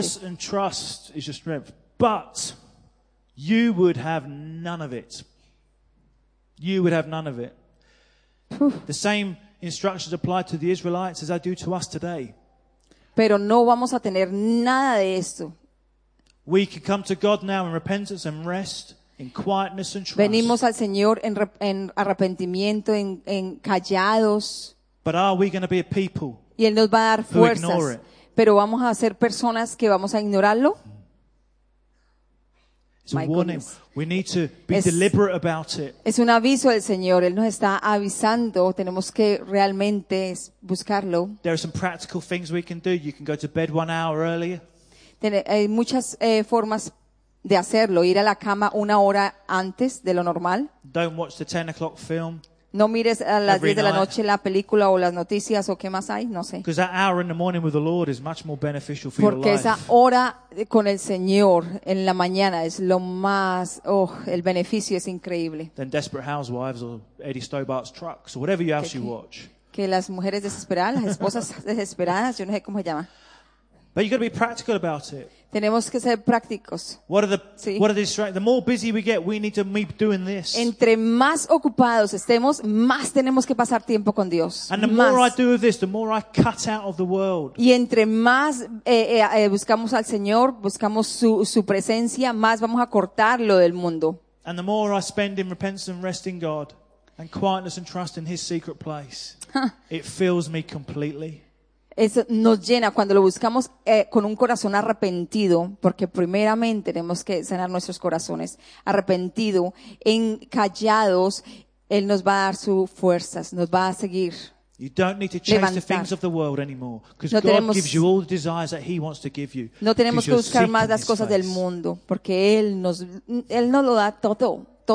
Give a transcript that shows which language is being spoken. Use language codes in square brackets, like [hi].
[en] Quietness and trust is your strength, but you would have none of it. You would have none of it. The same instructions apply to the Israelites as I do to us today. [es] Pero no vamos a tener nada de esto. [en] We can come to God now in repentance and rest. In quietness and trust. [es] Venimos al Señor en arrepentimiento, en callados. [en] But are we going to be a people? [es] Y Él nos va a dar fuerzas. Pero vamos a ser personas que vamos a ignorarlo. [en] It's a warning. We need to be deliberate about it. [es] Es un aviso del Señor. Él nos está avisando. Tenemos que realmente buscarlo. [en] There are some practical things we can do. You can go to bed 1 hour earlier. [es] Hay muchas formas de hacerlo, ir a la cama una hora antes de lo normal. [en] Don't watch the 10 o'clock film. [es] No mires a las 10 de la noche la película o las noticias o qué más hay, no sé. [en] Because that hour in the morning with the Lord is much more beneficial for [es] porque [en] your life. [es] Porque esa hora con el Señor en la mañana es lo más, oh, el beneficio es increíble. [en] Than Desperate Housewives or Eddie Stobart's Trucks or whatever else you watch. [es] Que las mujeres desesperadas, las esposas desesperadas, yo no sé cómo se llama. [en] But you got to be practical about it. [es] Tenemos que ser prácticos. [en] The more busy we get, we need to be doing this. [es] Entre más ocupados estemos, más tenemos que pasar tiempo con Dios. [en] And the more I do of this, the more I cut out of the world. [es] Y entre más buscamos al Señor, buscamos su presencia, más vamos a cortar lo del mundo. [en] And the more I spend in repentance and rest in God, and quietness and trust in His secret place, it fills me completely. [es] Eso nos llena cuando lo buscamos con un corazón arrepentido, porque primeramente tenemos que sanar nuestros corazones. Arrepentido, encallados, Él nos va a dar sus fuerzas, nos va a seguir. [en] You don't need to chase the things of the world anymore, because God gives you all the desires that He wants to give you. [es] No tenemos que buscar más las cosas del mundo, porque Él nos lo da todo.